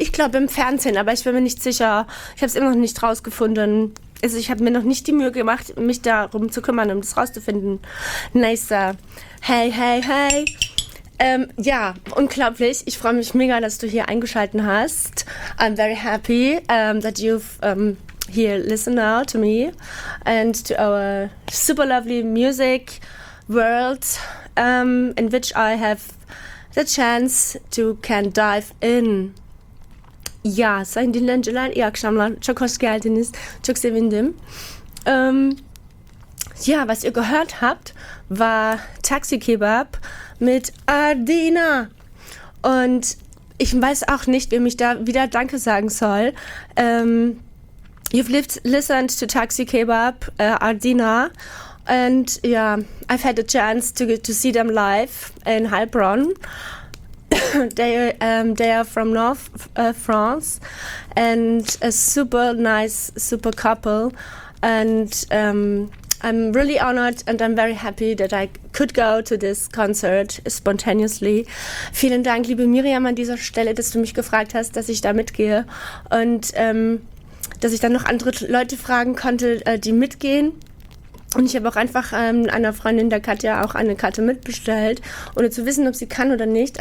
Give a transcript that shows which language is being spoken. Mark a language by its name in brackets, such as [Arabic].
[German] Ich glaube im Fernsehen, aber ich bin mir nicht sicher. Ich habe es immer noch nicht rausgefunden. Also ich habe mir noch nicht die Mühe gemacht, mich darum zu kümmern, um das rauszufinden. Nice. Hey, hey, hey. Ja, unglaublich. Ich freue mich mega, dass du hier eingeschalten hast. [English] I'm very happy that you've here listened now to me and to our super lovely music world, in which I have the chance to can dive in. Ja, sein die Lendelein, ja, Kschamlan, Chokoskeltin ist, Choksevindim. [German] Ja, was ihr gehört habt, war Taxi Kebab mit Ardina. Und ich weiß auch nicht, wem ich da wieder Danke sagen soll. [English] You've listened to Taxi Kebab, Ardina. And yeah, I've had a chance to see them live in Heilbronn. they are from North France. And a super nice, super couple. And I'm really honored and I'm very happy that I could go to this concert spontaneously. [German] Vielen Dank, liebe Miriam, an dieser Stelle, dass du mich gefragt hast, dass ich da mitgehe und dass ich dann noch andere Leute fragen konnte, die mitgehen. Und ich habe auch einfach einer Freundin, der Katja, auch eine Karte mitbestellt, ohne zu wissen, ob sie kann oder nicht.